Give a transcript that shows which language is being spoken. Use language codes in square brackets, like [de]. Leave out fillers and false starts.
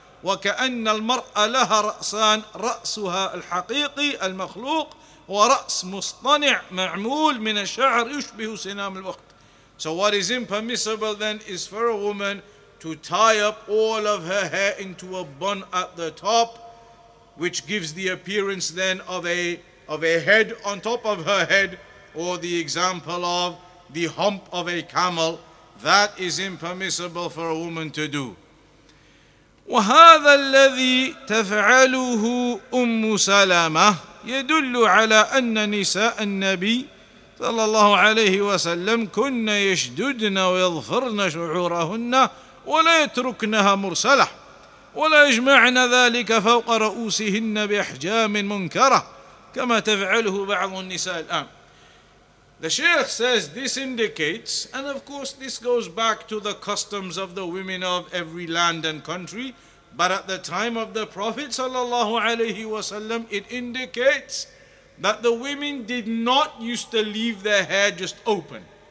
[ar] وكأن المرأة لها رأسان، رأسها الحقيقي المخلوق ورأس مصطنع معمول من الشعر يشبه سنام الوقت. [en] So what is impermissible then is for a woman to tie up all of her hair into a bun at the top, which gives the appearance then of a head on top of her head, or the example of the hump of a camel. That is impermissible for a woman to do. [ar] وهذا الذي تفعله أم سلامة يدل على أن نساء النبي صلى الله عليه وسلم كن يشددن ويظفرن شعورهن ولا يتركنها مرسلة ولا يجمعن ذلك فوق رؤوسهن بأحجام منكرة كما تفعله بعض النساء الآن. [en] The Sheikh says this indicates, and of course this goes back to the customs of the women of every land and country, but at the time of the Prophet sallallahu alaihi wasallam, it indicates that the women did not used to leave their hair just open.